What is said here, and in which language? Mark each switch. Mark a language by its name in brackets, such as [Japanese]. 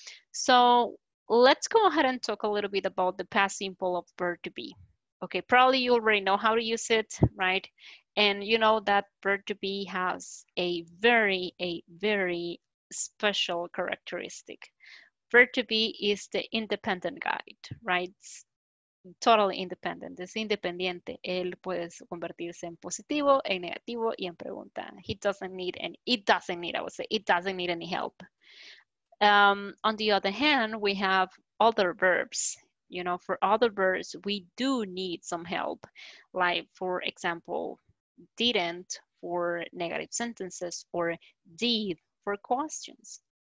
[English] So let's go ahead and talk a little bit about the past simple of verb to be. Okay, probably you already know how to use it, right? And you know that bird to bee has a very special characteristic. Bird to bee is the independent guide, right? Totally independent, [Spanish] es independiente. Él puede convertirse en positivo, en negativo y en pregunta. [English] It doesn't need any help. On the other hand, we have other verbs. You know, for other verbs, we do need some help. Like, for example, didn't for negative sentences or did for questions.